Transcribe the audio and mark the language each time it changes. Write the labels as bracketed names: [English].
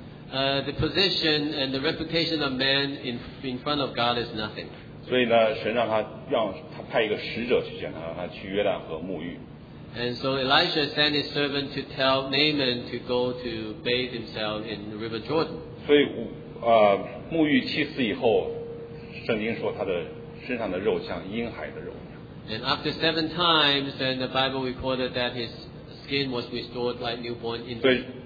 [English] The position and the reputation of man in front of God is nothing. [Chinese] 所以呢，神让他派一个使者去见他，让他去约旦河沐浴。 [English] And so Elisha sent his servant to tell Naaman to go to bathe himself in the River Jordan. [Chinese] 所以沐浴七次以后，圣经说他的 [English] And after seven times, then the Bible recorded that his skin was restored like newborn infant.